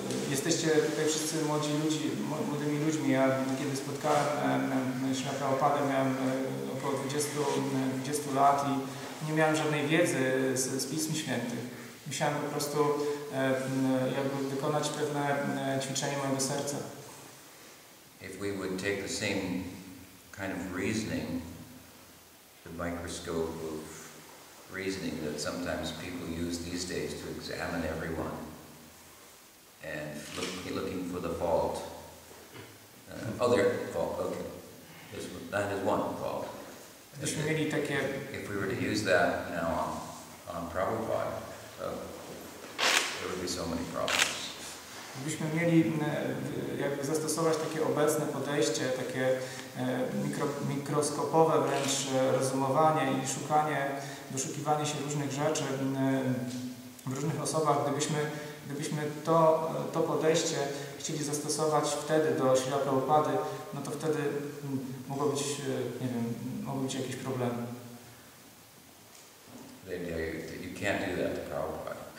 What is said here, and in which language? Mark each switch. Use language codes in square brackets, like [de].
[pl] Jesteście tutaj wszyscy młodzi ludzi, młodymi ludźmi. Ja kiedy spotkałem Śrila Prabhupadę, miałem około 20 lat i nie miałem żadnej wiedzy z Pism Świętych. Musiałem po prostu jakby wykonać pewne ćwiczenie mojego serca. [en] If we would take the same kind of reasoning, the microscope of reasoning that sometimes people use these days to examine everyone and looking for the fault. Other fault, okay. That is one fault. If we were to use that now on Prabhupada, there would be so many problems. [pl] Gdybyśmy mieli jakby zastosować takie obecne podejście, takie mikroskopowe wręcz rozumowanie i szukanie, doszukiwanie się różnych rzeczy w różnych osobach, gdybyśmy to podejście chcieli zastosować wtedy do Śrila Prabhupady, no to wtedy mogło być, nie wiem, mogły być jakieś problemy. [en] You can't do that to Prabhupada.